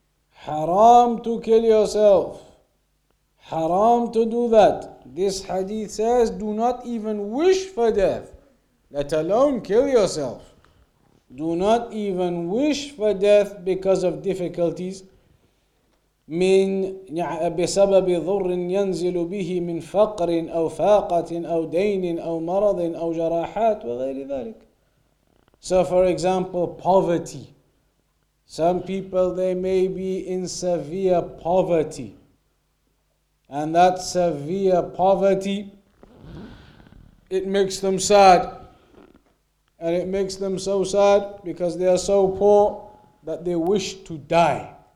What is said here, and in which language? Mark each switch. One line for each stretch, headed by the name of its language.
English: Haram to kill yourself. Haram to do that. This hadith says, do not even wish for death, let alone kill yourself. Do not even wish for death because of difficulties.
Arabic: من بسبب ضر ينزل به من فقر أو فاقة أو دين أو مرض أو جراحات وغير ذلك.
English: So for example, poverty. Some people, they may be in severe poverty. And that severe poverty, it makes them sad. And it makes them so sad because they are so poor that they wish to die.